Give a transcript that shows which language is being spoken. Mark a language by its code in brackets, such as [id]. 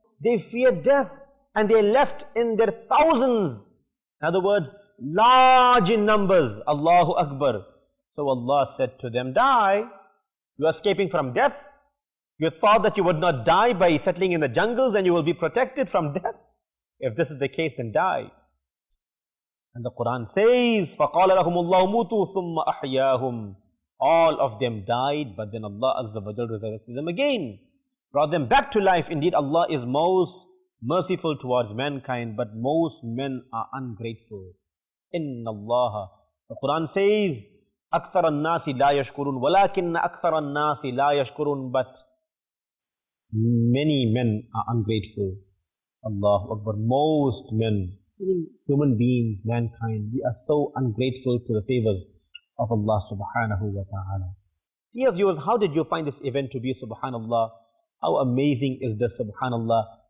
[en] They feared death and they left in their thousands. In other words, large in numbers. Allahu Akbar. So Allah said to them, die. You are escaping from death. You thought that you would not die by settling in the jungles and you will be protected from death. If this is the case, then die. And the Quran says, [ar] فَقَالَ لَهُمُ اللَّهُ مُوتُوا ثُمَّ أَحْيَاهُمْ. [en] All of them died, but then Allah Azza wa Jalla resurrected them again. Brought them back to life. Indeed, Allah is most merciful towards mankind, but most men are ungrateful. [ar] إِنَّ اللَّهَ. [en] The Quran says, [ar] أَكْثَرَ النَّاسِ لَا يَشْكُرُونَ وَلَكِنَّ أَكْثَرَ النَّاسِ لَا يَشْكُرُونَ. [en] But many men are ungrateful. Allah Akbar. Most men, human beings, mankind, we are so ungrateful to the favors of Allah subhanahu wa ta'ala. Dear viewers, how did you find this event to be, subhanallah? How amazing is this, subhanallah?